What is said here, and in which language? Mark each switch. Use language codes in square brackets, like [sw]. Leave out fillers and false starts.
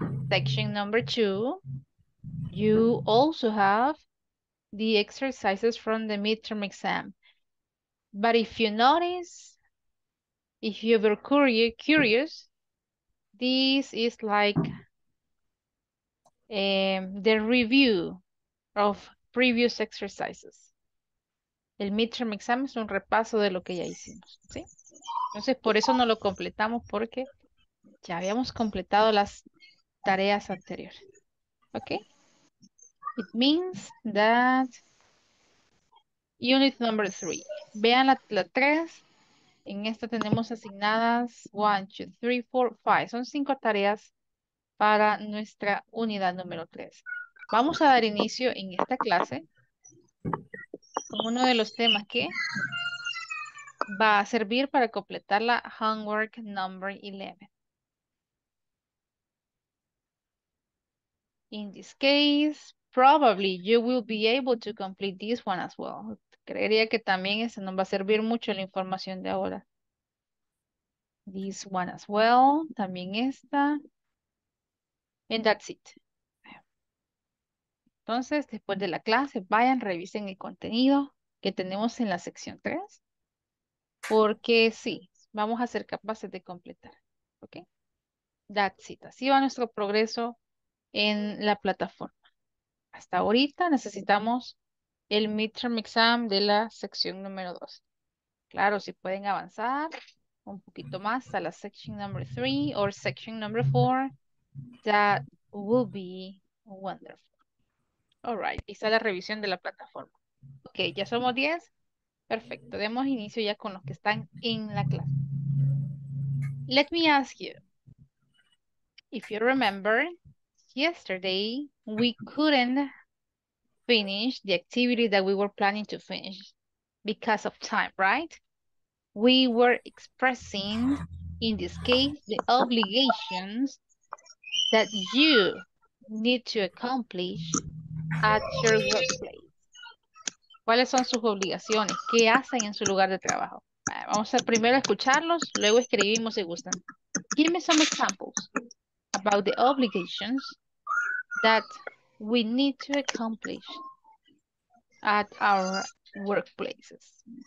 [en] Section number two, you also have the exercises from the midterm exam. But if you notice, if you were curious, this is like the review of previous exercises. [es] El midterm exam es un repaso de lo que ya hicimos, ¿sí? Entonces, por eso no lo completamos, porque ya habíamos completado las tareas anteriores. [en] Okay? It means that unit number three. [es] Vean la tres. En esta tenemos asignadas 1, 2, 3, 4, 5. Son 5 tareas para nuestra unidad número 3. Vamos a dar inicio en esta clase con uno de los temas que va a servir para completar la [en] homework number 11. In this case, probably you will be able to complete this one as well. [es] Creería que también eso nos va a servir mucho la información de ahora. [en] This one as well, [es] también esta. [en] And that's it. [es] Entonces, después de la clase, vayan, revisen el contenido que tenemos en la sección 3. Porque sí, vamos a ser capaces de completar. ¿Ok? [en] That's it. [es] Así va nuestro progreso en la plataforma. Hasta ahorita necesitamos el midterm exam de la sección número 2. Claro, si pueden avanzar un poquito más a la [en] section number 3 or section number 4, that will be wonderful. All right, [es] está la revisión de la plataforma. Ok, ya somos 10. Perfecto, demos inicio ya con los que están en la clase. [en] Let me ask you, if you remember, yesterday we couldn't finish the activity that we were planning to finish because of time, right? We were expressing, in this case, the obligations that you need to accomplish at your workplace. [es] ¿Cuáles son sus obligaciones? ¿Qué hacen en su lugar de trabajo? Vamos a primero escucharlos, luego escribimos si gustan. [en] Give me some examples about the obligations that we need to accomplish at our workplaces.